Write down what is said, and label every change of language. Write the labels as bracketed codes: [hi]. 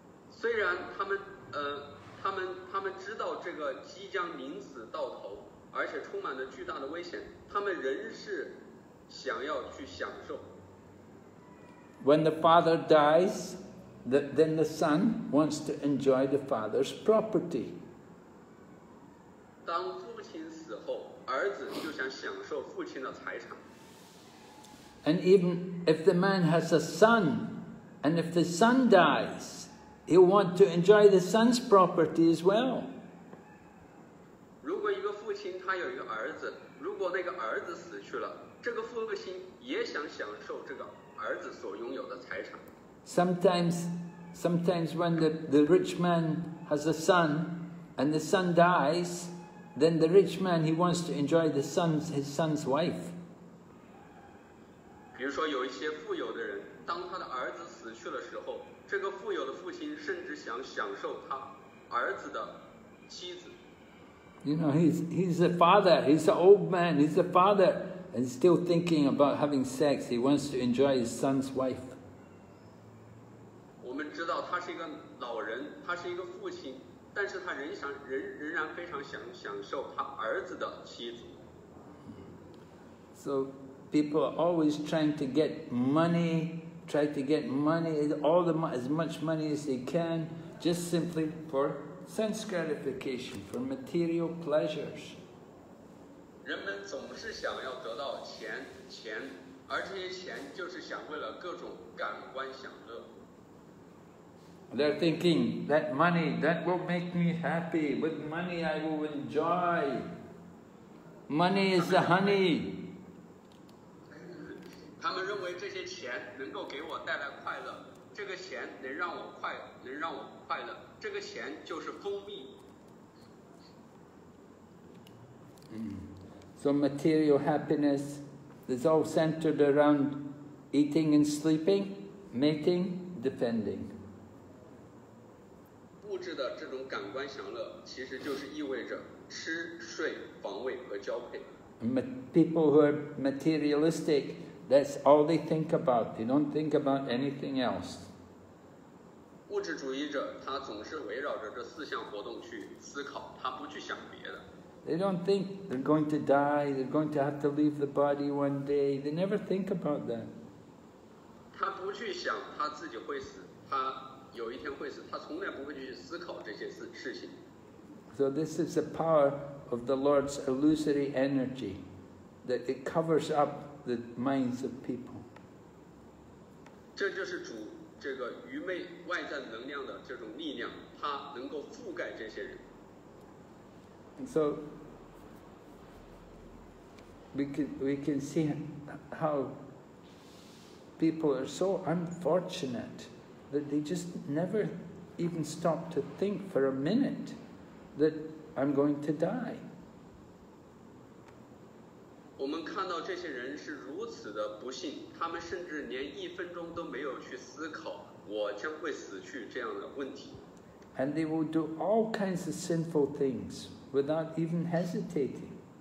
[zh] 虽然他们知道这个即将临死到头，而且充满了巨大的危险，他们仍是想要去享受。 [en] When the father dies, then the son wants to enjoy the father's property. [zh] 当父亲死后，儿子就想享受父亲的财产。 [en] And even if the man has a son, and if the son dies,He'll want to enjoy the son's property as well. [zh] 如果一个父亲他有一个儿子，如果那个儿子死去了，这个父亲也想享受这个儿子所拥有的财产。 [en] Sometimes when the rich man has a son and the son dies, then the rich man he wants to enjoy his son's wife. [zh] 比如说有一些富有的人，当他的儿子死去的时候，这个富有的父亲甚至想享受他儿子的妻子。 [en] You know, he's a father, he's an old man, he's a father, and still thinking about having sex, he wants to enjoy his son's wife. [zh] 我们知道他是一个老人，他是一个父亲，但是他仍然非常享受他儿子的妻子。 [en] So people are always trying to get money, try to get money, all the as much money as they can, just simply for sense gratification, for material pleasures. [zh] 人们总是想要得到钱，而这些钱就是想为了各种感官享乐。 [en] They're thinking that money that will make me happy. With money, I will enjoy. Money is the honey. [zh] 他们认为这些钱能够给我带来快乐。这个钱能让我快乐。这个钱就是蜂蜜。 [en] So material happiness is all centered around eating and sleeping, mating, defending. [zh] 物质的这种感官享乐其实就是意味着吃睡防卫和交配。 [en] People who are materialistic, that's all they think about. They don't think about anything else. [zh] 物质主义者他总是围绕着这四项活动去思考，他不去想别的。 [en] They don't think they're going to die, they're going to have to leave the body one day. They never think about that. [zh] 他不去想他自己会死，他有一天会死，他从来不会去思考这些事情。 [en] So this is the power of the Lord's illusory energy, that it covers up the minds of people. [zh] 这就是主这个愚昧外在能量的这种力量，它能够覆盖这些人。 [en] And so we can see how people are so unfortunate. That they just never even stop to think for a minute that I'm going to die. [zh] 我们看到这些人是如此的不幸，他们甚至连一分钟都没有去思考我将会死去这样的问题。 [en] And they will do all kinds of sinful things without even hesitating.